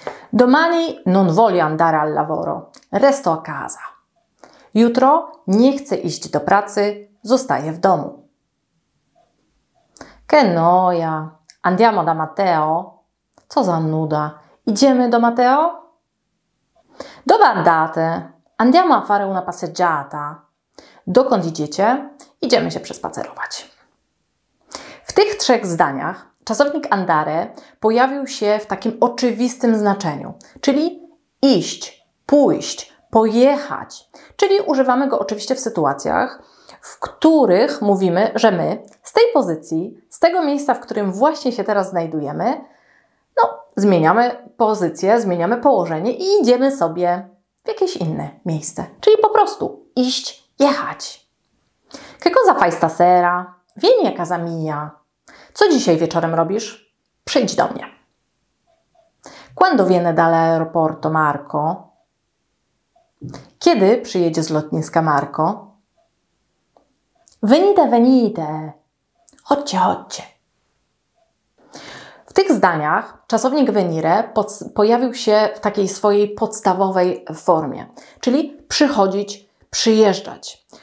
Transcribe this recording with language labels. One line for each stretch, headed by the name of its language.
Italian: Domani non voglio andare al lavoro. Resto a casa.
Polish: Jutro nie chcę iść do pracy. Zostaję w domu.
Italian: Che noia. Andiamo da Matteo.
Polish: Co za nuda. Idziemy do Matteo?
Italian: Dove andate? Andiamo a fare una passeggiata.
Polish: Dokąd idziecie? Idziemy się przespacerować. W tych trzech zdaniach czasownik andare pojawił się w takim oczywistym znaczeniu, czyli iść, pójść, pojechać. Czyli używamy go oczywiście w sytuacjach, w których mówimy, że my z tej pozycji, z tego miejsca, w którym właśnie się teraz znajdujemy, no, zmieniamy pozycję, zmieniamy położenie i idziemy sobie w jakieś inne miejsce. Czyli po prostu iść, jechać.
Italian: Che cosa fai stasera? Vieni a casa mia.
Polish: Co dzisiaj wieczorem robisz? Przyjdź do mnie.
Italian: Quando viene dall'aeroporto Marco?
Polish: Kiedy przyjedzie z lotniska Marco?
Italian: Venite, venite.
Polish: Chodźcie, chodźcie. W tych zdaniach czasownik venire pojawił się w takiej swojej podstawowej formie, czyli przychodzić, przyjeżdżać.